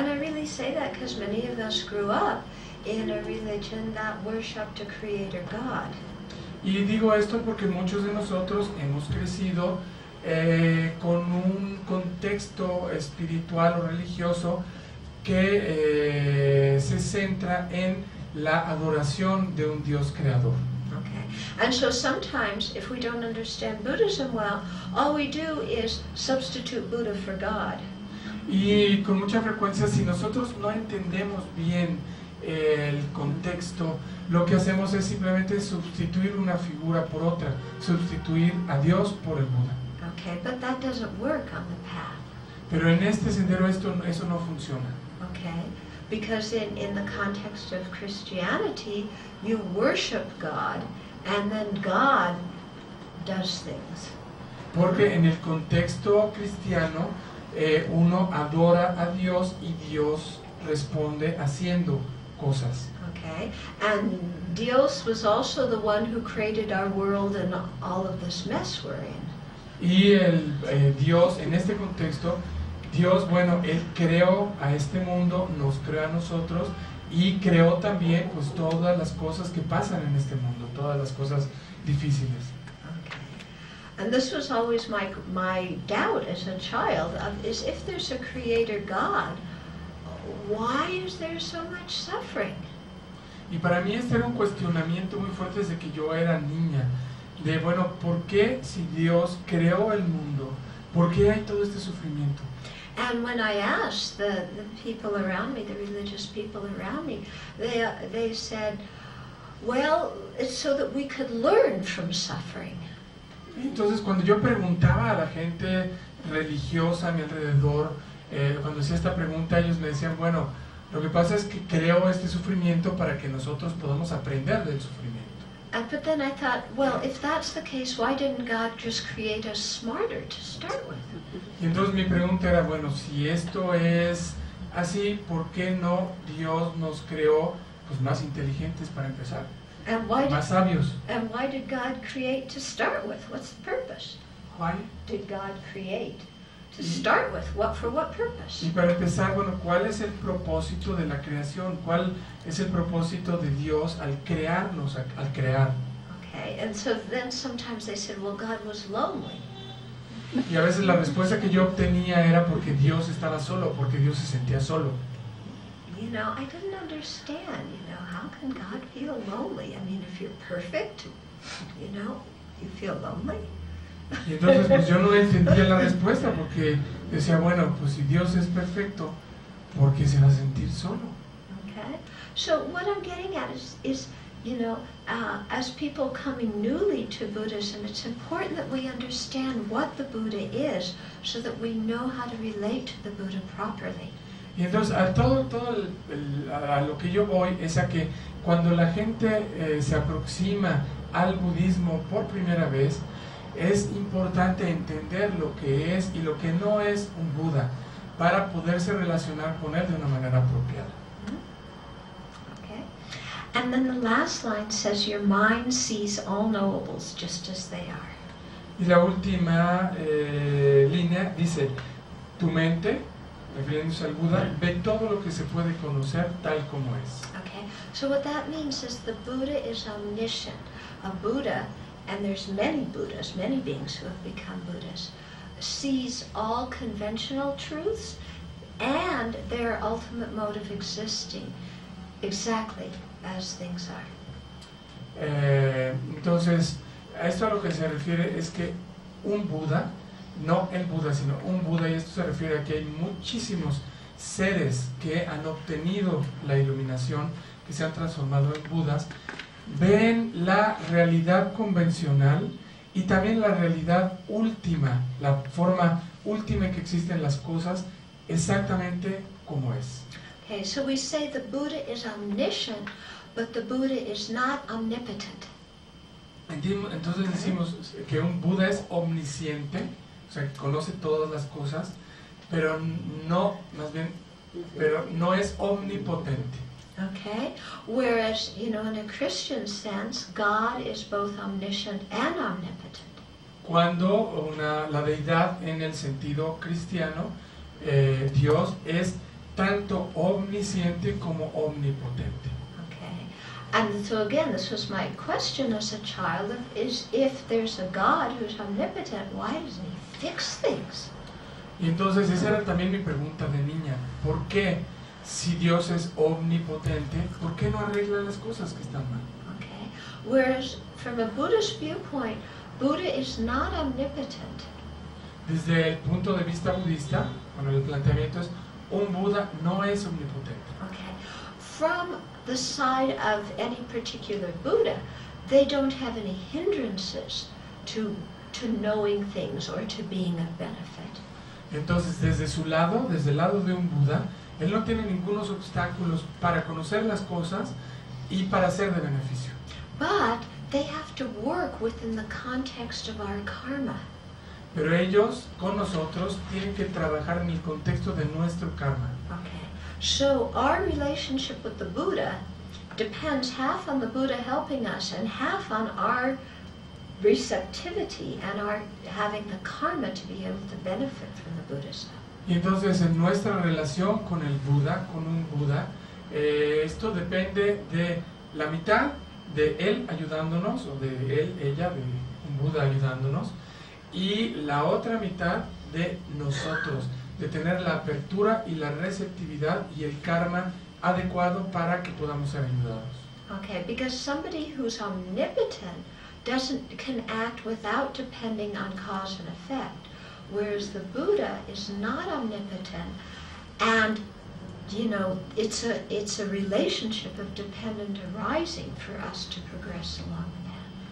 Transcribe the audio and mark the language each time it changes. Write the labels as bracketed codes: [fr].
[en] And I really say that because many of us grew up in a religion that worshipped a creator God. [es] Y digo esto porque muchos de nosotros hemos crecido con un contexto espiritual o religioso que se centra en la adoración de un Dios creador. [en] And so sometimes, if we don't understand Buddhism well, all we do is substitute Buddha for God. [es] Y con mucha frecuencia, si nosotros no entendemos bien el contexto, lo que hacemos es simplemente sustituir una figura por otra, sustituir a Dios por el Buda. [en] Okay, but that doesn't work on the path. [es] Pero en este sendero eso no funciona. [en] Okay, because in the context of Christianity, you worship God. And then God does things. [es] Porque en el contexto cristiano, uno adora a Dios y Dios responde haciendo cosas. [en] Okay. And Dios was also the one who created our world and all of this mess we're in. [es] Y el Dios, en este contexto, Dios, bueno, Él creó a este mundo, nos creó a nosotros, y creó también pues todas las cosas que pasan en este mundo, todas las cosas difíciles. [en] Okay. And this was always my doubt as a child of, is if there's a creator God, why is there so much suffering? [es] Y para mí este era un cuestionamiento muy fuerte desde que yo era niña, de bueno, ¿por qué si Dios creó el mundo, por qué hay todo este sufrimiento? [en] And when I asked the people around me, the religious people around me, they said, well, it's so that we could learn from suffering. [es] Entonces cuando yo preguntaba a la gente religiosa a mi alrededor, cuando hacía esta pregunta, ellos me decían, bueno, lo que pasa es que creo este sufrimiento para que nosotros podamos aprender del sufrimiento. [en] But then I thought, well, if that's the case, why didn't God just create us smarter to start with? [es] Y entonces mi pregunta era, bueno, si esto es así, ¿por qué no Dios nos creó pues más inteligentes para empezar? [en] And why [es] más [en] did, [es] sabios. [en] And why did God create to start with? What's the purpose? Why did God create to start with? What for what purpose? [es] Y para empezar, bueno, ¿cuál es el propósito de la creación? ¿Cuál es el propósito de Dios al crearnos, al crear? [en] Okay, and so then sometimes they said, well, God was lonely. [es] Y a veces la respuesta que yo obtenía era porque Dios estaba solo, porque Dios se sentía solo. [en] You know, I didn't understand, you know, how can God feel lonely? I mean, if you're perfect, you know, you feel lonely. [es] Y entonces pues yo no entendía la respuesta porque decía, bueno, pues si Dios es perfecto, ¿por qué se va a sentir solo? [en] Okay. So what I'm getting at is you know, as people coming newly to Buddhism, it's important that we understand what the Buddha is so that we know how to relate to the Buddha properly. [es] Y entonces, a lo que yo voy es a que cuando la gente se aproxima al budismo por primera vez, es importante entender lo que es y lo que no es un Buda para poderse relacionar con él de una manera apropiada. [en] And then the last line says, "Your mind sees all knowables just as they are." [es] Y la última línea dice, "Tu mente, refiriéndose al Buda, ve todo lo que se puede conocer tal como es." [en] Okay. So what that means is the Buddha is omniscient. A Buddha, and there's many Buddhas, many beings who have become Buddhas, sees all conventional truths and their ultimate mode of existing, exactly. As things are. [es] Entonces, a esto a lo que se refiere es que un Buda, no el Buda, sino un Buda, y esto se refiere a que hay muchísimos seres que han obtenido la iluminación, que se han transformado en Budas, ven la realidad convencional y también la realidad última, la forma última que existen las cosas, exactamente como es. [en] Okay, so we say the Buddha is omniscient. But the Buddha is not omnipotent. [es] Entonces decimos que un Buda es omnisciente, o sea, que conoce todas las cosas, pero no, más bien, pero no es omnipotente. [en] Okay. Whereas, you know, in a Christian sense, God is both omniscient and omnipotent. [es] Cuando la deidad en el sentido cristiano, Dios es tanto omnisciente como omnipotente. [en] And so again, this was my question as a child: is if there's a God who's omnipotent, why doesn't he fix things? [es] Y entonces esa era también mi pregunta de niña: ¿por qué, si Dios es omnipotente, por qué no arregla las cosas que están mal? [en] Okay. Whereas from a Buddhist viewpoint, Buddha is not omnipotent. [es] Desde el punto de vista budista, bueno, el planteamiento es: un Buda no es omnipotente. [en] Okay. From the side of any particular Buddha, they don't have any hindrances to knowing things or to being of benefit. [es] Entonces, desde su lado, desde el lado de un Buda, él no tiene ningunos obstáculos para conocer las cosas y para ser de beneficio. [en] But they have to work within the context of our karma. [es] Pero ellos, con nosotros, tienen que trabajar en el contexto de nuestro karma. [en] So our relationship with the Buddha depends half on the Buddha helping us and half on our receptivity and our having the karma to be able to benefit from the Buddha's help. [es] Y entonces en nuestra relación con el Buda, con un Buda, esto depende de la mitad de él ayudándonos o de él, ella, de un Buda ayudándonos y la otra mitad de nosotros. De tener la apertura y la receptividad y el karma adecuado para que podamos ser ayudados. [en] Okay, because somebody who's omnipotent can act without depending on cause and effect, whereas the Buddha is not omnipotent, and you know it's a relationship of dependent arising for us to progress along the path.